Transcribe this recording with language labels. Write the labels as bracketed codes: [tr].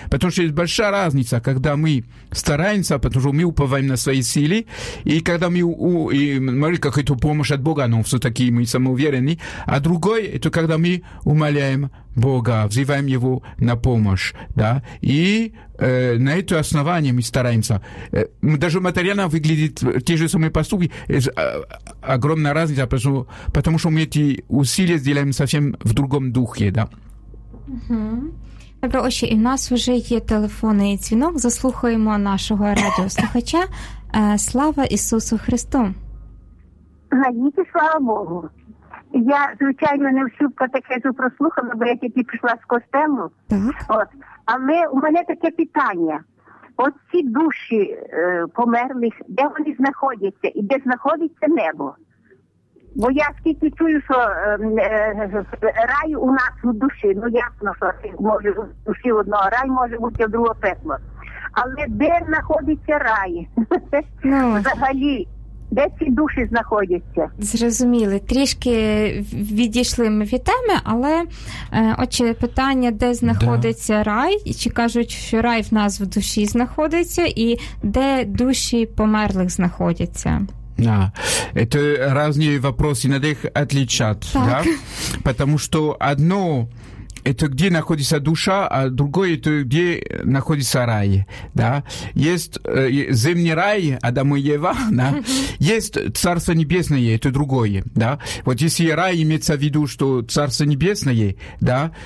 [ru] Потому что есть большая разница, когда мы стараемся, потому что мы уповаем на свои силы, и когда мы молим какую-то помощь от Бога, но все-таки мы самоуверены, а другой, это когда мы умоляем Бога, взываем Его на помощь, да? И на это основание мы стараемся. Даже материально выглядит те же самые поступки. Огромная разница, потому что мы эти усилия сделаем совсем в другом духе. Да? Угу. [uk] Добро, отче, і в нас вже є телефон і дзвінок. Заслухаємо нашого радіослухача. Слава Ісусу Христу! Гадіть, слава Богу! Я, звичайно, не всю катехезу прослухала, бо я тільки пішла з костелу. Але у мене таке питання. От ці душі померлих, де вони знаходяться? І де знаходиться небо? Бо я скільки чую, що рай у нас в душі. Ну, ясно, що може в душі одного рай, може бути в другого пекло. Але де знаходиться рай? Взагалі. Де ці душі знаходяться? Зрозуміли. Трішки відійшли ми від теми, але отже, питання, де знаходиться рай, чи кажуть, що рай в нас в душі знаходиться, і де душі померлих знаходяться? [ru] Да, это разные вопросы, надо их отличать, так. Да? Потому что одно это где находится душа, а другое это где находится рай, да? Есть земный рай, Адам и Ева, да? Есть Царство Небесное, это другое, да? Вот если рай имеется в виду, что Царство Небесное, да?